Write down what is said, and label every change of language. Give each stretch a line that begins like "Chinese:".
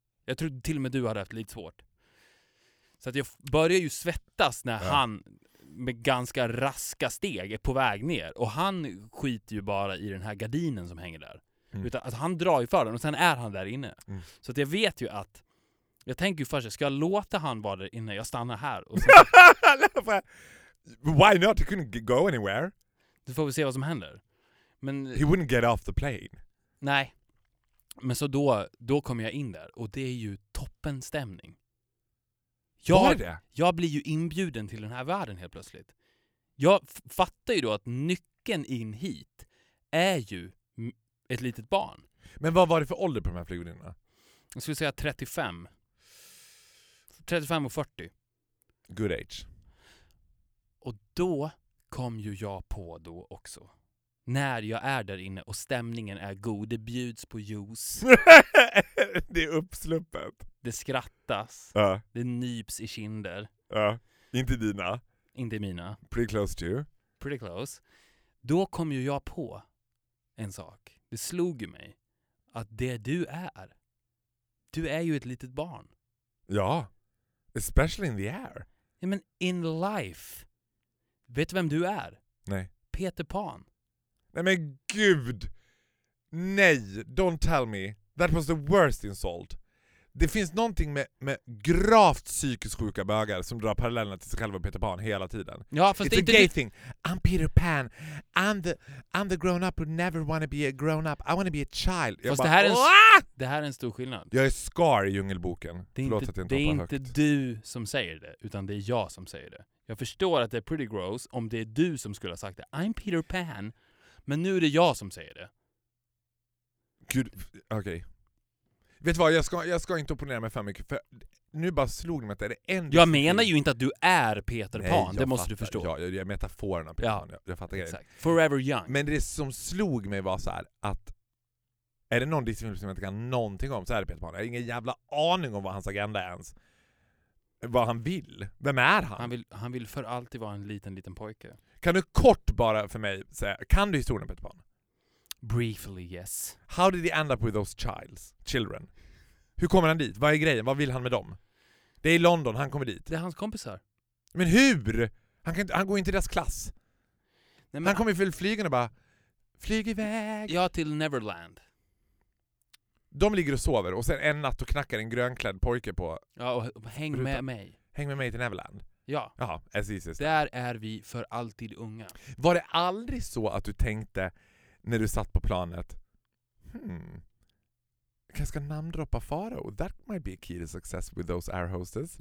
Swedish: Jag tror till och med du hade haft lite svårt. Så att jag börjar ju svettas när han med ganska raska steg är på väg ner. Och han skiter ju bara i den här gardinen som hänger där. Mm. Utan, alltså, han drar ju för den och sen är han där inne. Mm. Så att jag vet ju att Jag tänker ju först, ska jag låta han vara där innan jag stannar här? Och så...
English: Why not? He couldn't go anywhere.
Swedish: Då får vi se vad som händer. Men...
English: He wouldn't get off the plane.
Swedish: Nej. Men så då kommer jag in där. Och det är ju toppen stämning. Jag blir ju inbjuden till den här världen helt plötsligt. Jag fattar ju då att nyckeln in hit är ju ett litet barn. Men vad var det för ålder på de här flygorna? Jag skulle säga 35. 35 och 40.
English: Good age.
Swedish: Och då kom ju jag på då också. När jag är där inne och stämningen är god. Det bjuds på juice. Det är uppsluppet. Det skrattas. Det nyps i kinder. Inte dina. Inte mina.
English: Pretty close to you.
Swedish: Pretty close. Då kom ju jag på en sak. Det slog ju mig. Att det du är ju ett litet barn.
English: Ja, especially in the air.
Swedish: Ja, men
English: in life.
Swedish: Vet du vem du är? Nej. Peter Pan. Nej men gud. Nej,
English: don't tell me. That was the worst insult.
Swedish: Det finns någonting med gravt psykiskt sjuka bögar som drar parallellerna till sig själva Peter Pan hela tiden. Ja, fast
English: it's a gay thing. I'm Peter Pan. I'm the grown up who never want to be a grown up. I want to be a child.
Swedish: Fast det, det här är en stor skillnad. Jag är Scar i Djungelboken. Det är inte du som säger det, utan det är jag som säger det. Jag förstår att det är
English: pretty gross
Swedish: om det är du som skulle ha sagt det.
English: I'm Peter Pan.
Swedish: Men nu är det jag som säger det. Gud, okej. Vet du vad, jag ska inte opponera mig för mycket. För nu bara slog mig att det är det enda... Jag menar ju inte att du är Peter Pan, nej, det måste du förstå. Ja, jag är metaforen av Peter Pan, jag fattar grejen.
English: Forever young.
Swedish: Men det som slog mig var så här att... Är det någon Disney-film som jag inte kan någonting om så är det Peter Pan. Jag har ingen jävla aning om vad hans agenda är ens. Vad han vill. Vem är han? Han vill för alltid vara en liten pojke. Kan du kort bara för mig säga, kan du historien om Peter Pan?
English: Briefly, yes. How did he end up with those children?
Swedish: Hur kommer han dit? Vad är grejen? Vad vill han med dem? Det är i London, han kommer dit. Det är hans kompisar. Men hur? Han går inte i deras klass. Nej, men han kommer för flygande bara, flyg iväg. Ja, till Neverland. De ligger och sover och sen en natt och knackar en grönklädd pojke på. Ja, och häng rutan. Med mig. Häng med mig till Neverland. Ja.
English: Jaha, as easy.
Swedish: Där är vi för alltid unga. Var det aldrig så att du tänkte... När du satt på planet. Jag ska namndroppa Faro.
English: That might be a key to success with those air hostess.